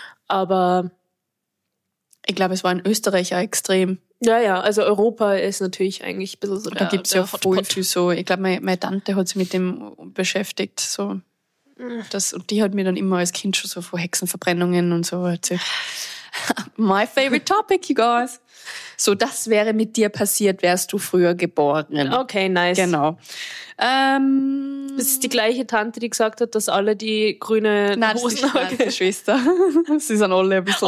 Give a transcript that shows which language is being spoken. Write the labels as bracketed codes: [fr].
[de] Aber ich glaube, es war in Österreich auch extrem. Ja, ja, also Europa ist natürlich eigentlich ein bisschen so da der. Da gibt es ja voll viel so. Ich glaube, meine Tante hat sich mit dem beschäftigt. So. Das, und die hat mir dann immer als Kind schon so vor Hexenverbrennungen und so erzählt. [en] My favorite topic, you guys. [de] So, das wäre mit dir passiert, wärst du früher geboren. [en] Okay, nice. [de] Genau. Das ist die gleiche Tante, die gesagt hat, dass alle die grüne Hosen haben. Nein, Schwester. Sie sind alle ein bisschen...